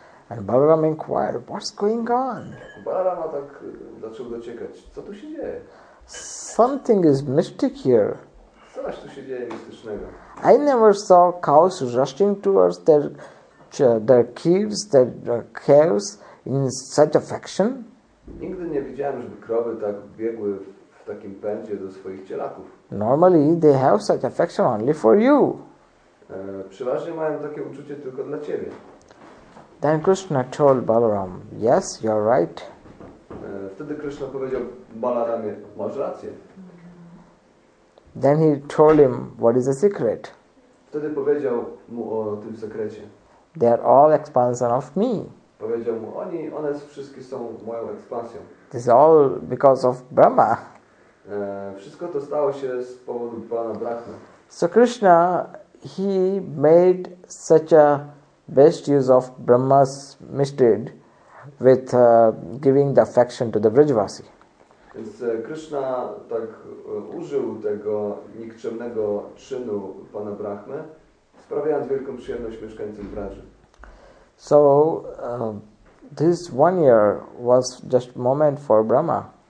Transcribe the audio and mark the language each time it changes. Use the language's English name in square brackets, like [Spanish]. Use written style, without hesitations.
[English] And Balaram inquired, what's going on? [Polish] Balarama tak zaczął dociekać, co tu się dzieje? [English] Something is mystic here. [Polish] Coś tu się dzieje mistycznego. [English] I never saw cows rushing towards their kids, their calves in such affection. [Polish] Nigdy nie widziałem, żeby krowy tak biegły w takim pędzie do swoich cielaków. [English] Normally they have such affection only for you. [Polish] Przeważnie mają takie uczucie tylko dla ciebie. [English] Then Krishna told Balaram, yes, you're right. [Polish] Wtedy Krishna powiedział Balaramie, masz rację. [English] Then he told him, what is the secret? [Polish] Wtedy powiedział mu o tym sekrecie. [English] They are all expansion of me. [Polish] Powiedział mu, one wszystkie są moją ekspansją. [English] This is all because of Brahma. [Polish] Wszystko to stało się z powodu pana Brahmy. [English] So Krishna, he made such a best use of Brahma's mystery with giving the affection to the Vrijavasi. [Polish] Więc Krishna tak użył tego nikczemnego czynu pana Brahmy, sprawiając wielką przyjemność mieszkańcom Braży. [English] So this 1 year was just moment for Brahma.